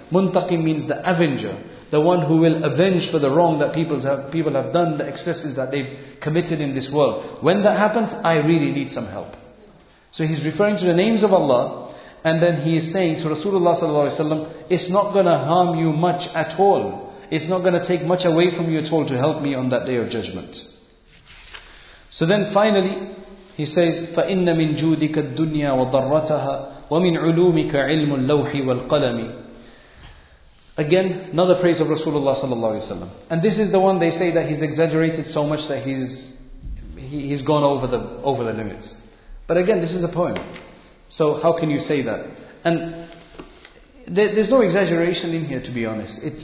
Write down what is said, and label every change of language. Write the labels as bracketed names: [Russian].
[English] Muntaqim means the avenger, the one who will avenge for the wrong that people have done, the excesses that they've committed in this world. When that happens, I really need some help. So he's referring to the names of Allah, and then he is saying to Rasulullah sallallahu alaihi wasallam, it's not going to harm you much at all. It's not going to take much away from you at all to help me on that day of judgment. So then finally, he says, [Arabic] فَإِنَّ مِنْ جُودِكَ الدُّنْيَا وَضَرَّتَهَا وَمِنْ عُلُومِكَ عِلْمُ اللَّوْحِ وَالْقَلَمِ. [English] Again, another praise of Rasulullah sallallahu alaihi wasallam. And this is the one they say that he's exaggerated so much that he's gone over the limits. But again, this is a poem. So how can you say that? And there's no exaggeration in here, to be honest.